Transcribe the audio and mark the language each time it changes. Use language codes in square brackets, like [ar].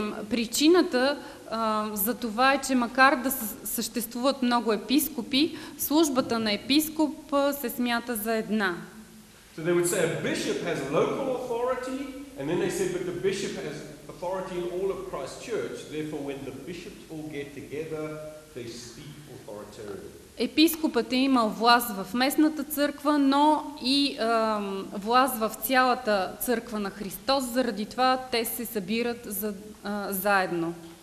[bg] Причината за това е, че макар да съществуват много епископи, службата на епископ се смята за една. [en] So they would say a bishop has local authority, and then they said, but the bishop has authority in all of Christ's church. Therefore, when the bishops all get together, they speak authoritarily. [bg] Епископът е имал власт в местната църква, но и власт в цялата църква на Христос, заради това те се събират за, заедно.